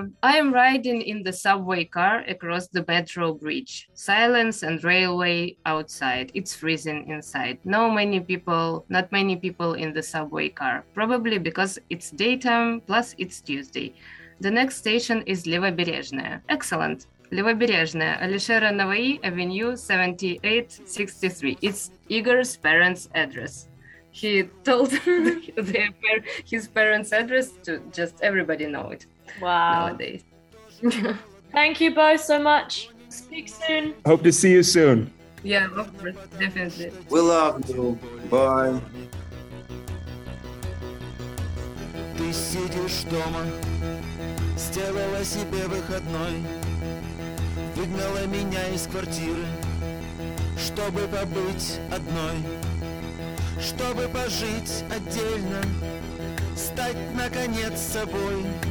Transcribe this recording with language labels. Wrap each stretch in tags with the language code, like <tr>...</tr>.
<en>I am riding in the subway car across the metro bridge. Silence and railway outside. It's freezing inside. Not many people in the subway car. Probably because it's daytime, plus it's Tuesday. The next station is Levobережная. Excellent.</en> <ru>Левобережная, Алишера Наваи, Avenue 7863.</ru> <en>It's Igor's parents' address. He told his parents' address to just everybody know it. Wow. Thank you both so much. Speak soon. Hope to see you soon. Yeah, of course, definitely. We love you. Bye.</en> <ru>Ты сидишь дома, сделала себе выходной, выгнала меня из квартиры, чтобы побыть одной, чтобы пожить отдельно, стать наконец собой.</ru>